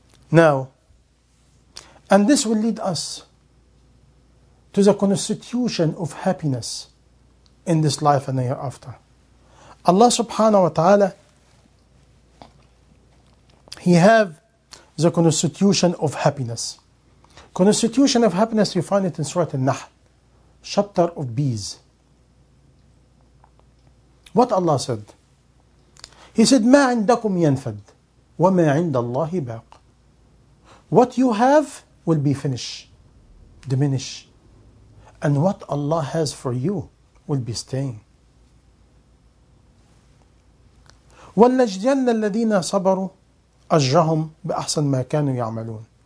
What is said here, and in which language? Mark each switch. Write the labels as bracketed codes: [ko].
[en] Now, and this will lead us to the constitution of happiness in this life and hereafter. Allah subhanahu wa ta'ala, He have the constitution of happiness. Constitution of happiness, you find it in Surah An-Nahl, chapter of bees. What Allah said? He said, [ar] مَا عِنْدَكُمْ يَنْفَدْ وَمَا عِنْدَ اللَّهِ بَاقْ. [en] What you have will be finished, diminished. And what Allah has for you will be staying. [ar] وَلَّجْدِيَنَّ الَّذِينَ صَبَرُوا أَجْرَهُمْ بِأَحْسَنْ مَا كَانُوا يَعْمَلُونَ.